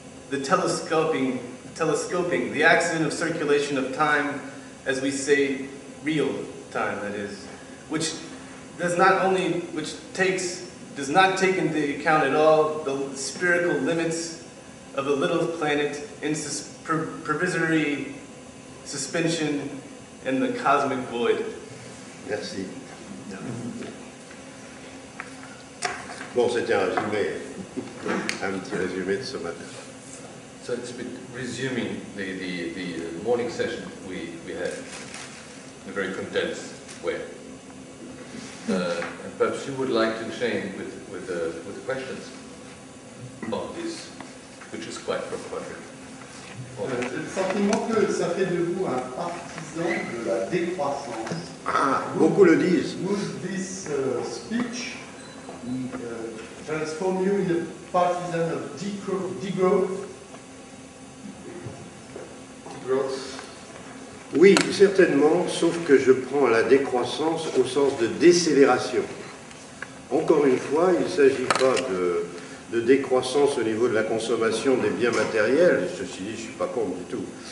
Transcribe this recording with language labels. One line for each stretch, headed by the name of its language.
English: the telescoping, the accident of circulation of time, as we say, real time, that is, which does not take into account at all the spherical limits of a little planet in provisory suspension in the cosmic void.
French: Merci. Bon, c'était un résumé, un petit résumé de ce matin.
English: So it's a bit resuming the morning session we had in a very condensed way. And perhaps you would like to chain with questions about this, which is quite problematic.
French: Sentiment que ça fait de vous un partisan de la décroissance. Ah, beaucoup le disent.
English: Would this speech transform you in a partisan of degrowth? Degrowth?
French: Oui, certainement, sauf que je prends la décroissance au sens de décélération. Encore une fois, il ne s'agit pas de décroissance au niveau de la consommation des biens matériels, ceci dit, je ne suis pas contre du tout.